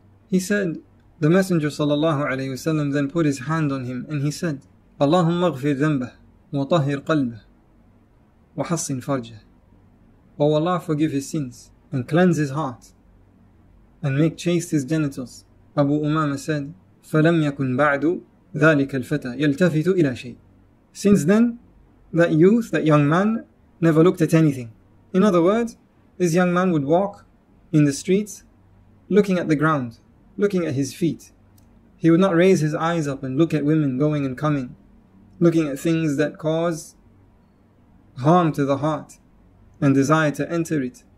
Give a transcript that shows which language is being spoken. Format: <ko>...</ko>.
<en>He said, the Messenger sallallahu alayhi wasallam then put his hand on him and he said,</en> <ar>اللهم اغفر ذنبه وطهر قلبه وحصن فرجه.</ar> <en>O Allah, forgive his sins and cleanse his heart and make chaste his genitals. Abu Umama said,</en> <ar>فَلَمْ يَكُنْ بَعْدُ ذَلِكَ الْفَتَى يَلْتَفِتُ إِلَى شَيْءٍ.</ar> <en>Since then, that youth, that young man, never looked at anything. In other words, this young man would walk in the streets, looking at the ground, looking at his feet. He would not raise his eyes up and look at women going and coming, looking at things that cause harm to the heart and desire to enter it.</en>